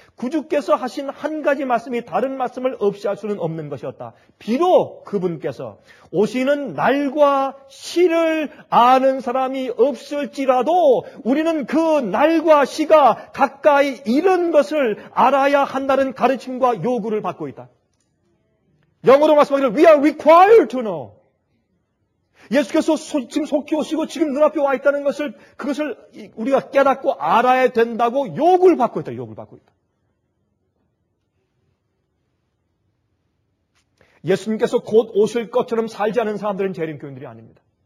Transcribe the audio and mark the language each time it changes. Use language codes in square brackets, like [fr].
[ko] 구주께서 하신 한 가지 말씀이 다른 말씀을 없이할 수는 없는 것이었다. 비록 그분께서 오시는 날과 시를 아는 사람이 없을지라도 우리는 그 날과 시가 가까이 이른 것을 알아야 한다는 가르침과 요구를 받고 있다. 영어로 말씀하기를 [en] We are required to know. [ko] 예수께서 지금 속히 오시고 지금 눈앞에 와 있다는 것을 그것을 우리가 깨닫고 알아야 된다고 욕을 받고 있다. 욕을 받고 있다. 예수님께서 곧 오실 것처럼 살지 않은 사람들은 재림교인들이 아닙니다.